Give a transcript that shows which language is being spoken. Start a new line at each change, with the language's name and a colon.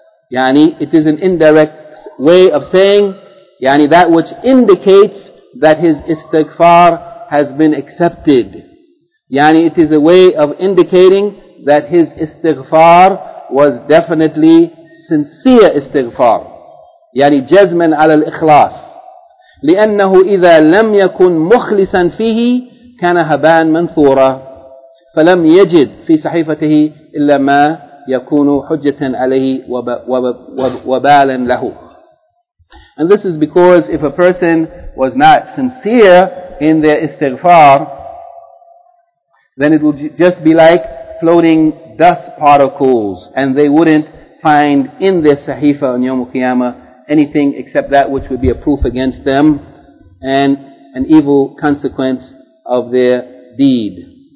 English: Yani it is an indirect way of saying, yani that which indicates that his istighfar has been accepted. Yani it is a way of indicating that his istighfar was definitely sincere istighfar.
Arabic: Yani jazman ala al-ikhlas. لِأَنَّهُ إِذَا لَمْ يَكُنْ مُخْلِسًا فِيهِ كَانَ هَبَانْ مَنْثُورًا فَلَمْ يَجِدْ فِي صَحِيفَتِهِ إِلَّا مَا يَكُونُ حُجَّةً عَلَيْهِ وَبَالًا لَهُ.
English: And this is because if a person was not sincere in their istighfar, then it would just be like floating dust particles, and they wouldn't find in their sahifa on Yawm al-Qiyamah anything except that which would be a proof against them and an evil consequence of their deed.